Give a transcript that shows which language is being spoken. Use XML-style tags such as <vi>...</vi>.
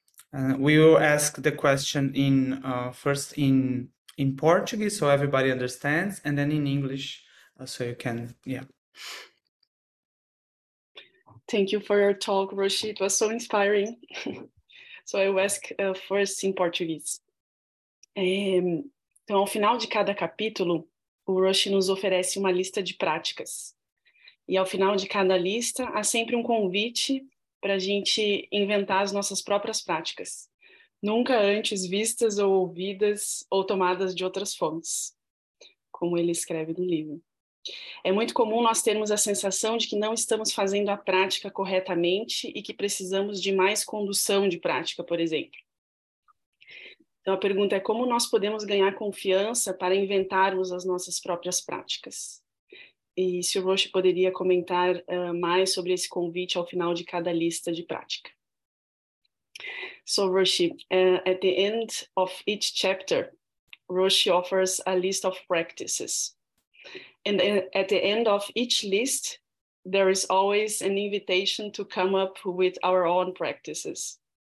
<en>And we will ask the question in first in Portuguese so everybody understands, and then in English so you can, yeah. Thank you for your talk, Roshi. It was so inspiring. So I will ask first in Portuguese.</en> <pt>Então, ao final de cada capítulo, o Roshi nos oferece uma lista de práticas. E ao final de cada lista, há sempre um convite para a gente inventar as nossas próprias práticas, nunca antes vistas ou ouvidas ou tomadas de outras fontes, como ele escreve no livro. É muito comum nós termos a sensação de que não estamos fazendo a prática corretamente e que precisamos de mais condução de prática, por exemplo. Então a pergunta é como nós podemos ganhar confiança para inventarmos as nossas próprias práticas? E se o Roshi poderia comentar mais sobre esse convite ao final de cada lista de prática.</pt> <en>So Roshi, at the end of each chapter, Roshi offers a list of practices. And at the end of each list, there is always an invitation to come up with our own practices.</en>